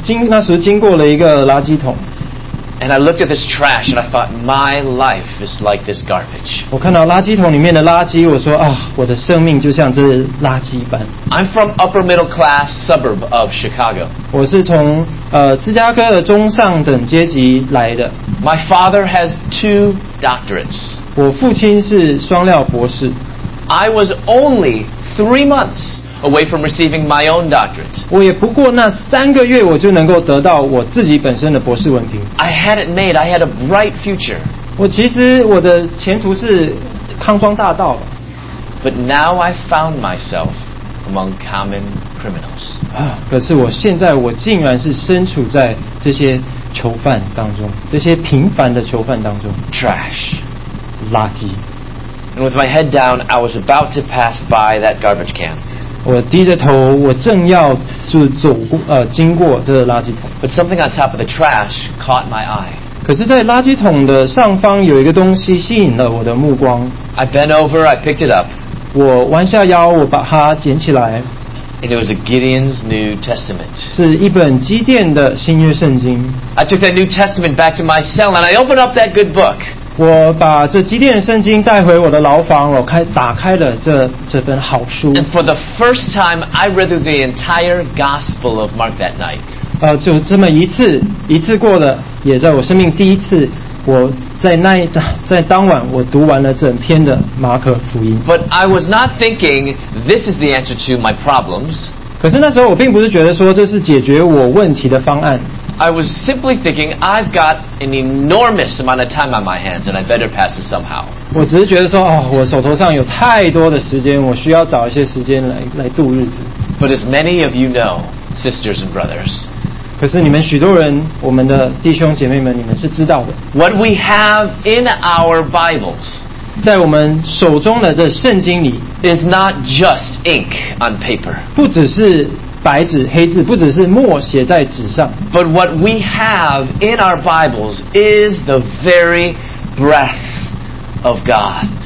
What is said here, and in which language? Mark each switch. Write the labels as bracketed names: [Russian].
[Chinese] 那时经过了一个垃圾桶。 [English] And I looked at this trash and I thought, my life is like this garbage. [Chinese] 我看到垃圾桶里面的垃圾，我说啊，我的生命就像这垃圾一般。 [English] I'm from upper middle class suburb of Chicago. [Chinese] 我是从芝加哥的中上等阶级来的。 [English] My father has 2 doctorates. [Chinese] 我父亲是双料博士。 [English] I was only 3 months away from receiving my own doctorate. [Chinese] 我也不过那三个月，我就能够得到我自己本身的博士文凭。 [English] I had it made. I had a bright future. [Chinese] 我其实我的前途是康庄大道。 [English] But now I found myself among common criminals. [Chinese] 可是我现在我竟然是身处在这些囚犯当中，这些平凡的囚犯当中。 [English] Trash. [Chinese] 垃圾。 [English] And with my head down, I was about to pass by that garbage can. [Chinese] 我低着头，我正要就走过经过这个垃圾桶。 [English] But something on top of the trash caught my eye. [Chinese] 可是在垃圾桶的上方有一个东西吸引了我的目光。 [English] I bent over, I picked it up. [Chinese] 我弯下腰，我把它捡起来。 [English] And it was a Gideon's New Testament. [Chinese] 是一本基甸的新约圣经。 [English] I took that New Testament back to my cell and I opened up that good book. [Chinese] 我把这基甸圣经带回我的牢房，我开打开了这本好书。 [English] And for the first time, I read the entire Gospel of Mark that night. [Chinese] 就这么一次过了，也在我生命第一次，我在那一在当晚，我读完了整篇的马可福音。 [English] But I was not thinking this is the answer to my problems. [Chinese] 可是那时候我并不是觉得说这是解决我问题的方案。 [English] I was simply thinking I've got an enormous amount of time on my hands and I better pass it somehow. [Chinese] 我只是觉得说，哦，我手头上有太多的时间，我需要找一些时间来度日子。 [English] But as many of you know, sisters and brothers, [Chinese] 可是你们许多人，我们的弟兄姐妹们，你们是知道的。 [English] What we have in our Bibles, [Chinese] 在我们手中的这圣经里 [English] is not just ink on paper. [Chinese] 不只是白纸黑字，不只是墨写在纸上。 [English] But what we have in our Bibles is the very breath of God.